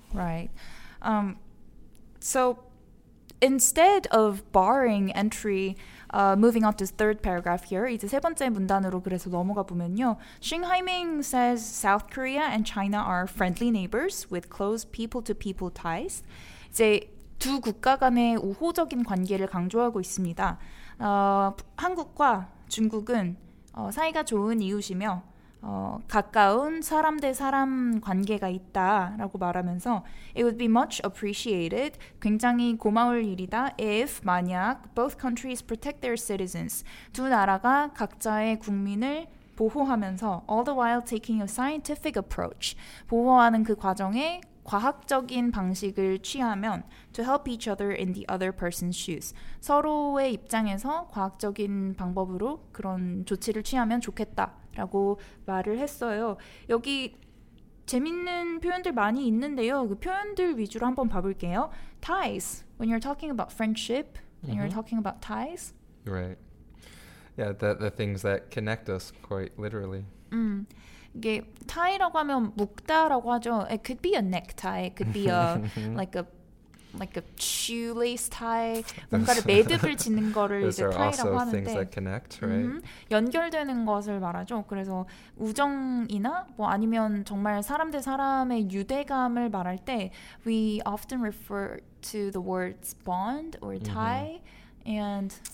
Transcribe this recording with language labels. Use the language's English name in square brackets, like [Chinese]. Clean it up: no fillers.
[English] Right. So instead of barring entry, moving on to third paragraph here, [Korean] 이제 세 번째 문단으로 그래서 넘어가 보면요. [English] Xing Haiming says South Korea and China are friendly neighbors with close people-to-people ties. [Korean] 이제 두 국가 간의 우호적인 관계를 강조하고 있습니다. 한국과 중국은 사이가 좋은 이웃이며 가까운 사람 대 사람 관계가 있다라고 말하면서 [English] It would be much appreciated, [Korean] 굉장히 고마울 일이다 if, 만약, [English] both countries protect their citizens. [Korean] 두 나라가 각자의 국민을 보호하면서 [English] all the while taking a scientific approach. [Korean] 보호하는 그 과정에 과학적인 방식을 취하면 [English] to help each other in the other person's shoes. [Korean] 서로의 입장에서 과학적인 방법으로 그런 조치를 취하면 좋겠다. 라고 말을 했어요. 여기 재밌는 표현들 많이 있는데요. 그 표현들 위주로 한번 봐볼게요. [English] Ties. When you're talking about friendship, mm-hmm. and you're talking about ties. Right. Yeah, the things that connect us quite literally. [Korean] 이게 tie라고 하면 묶다라고 하죠. [English] It could be a necktie. It could be a like a shoelace tie. [Korean] 뭔가를 매듭을 짓는 거를 이제 tie라고 하는데. [English] Those are also things that connect, right? [Korean] 연결되는 것을 말하죠. 그래서 우정이나 뭐 아니면 정말 사람 대 사람의 유대감을 말할 때 [English] we often refer to the words bond or tie and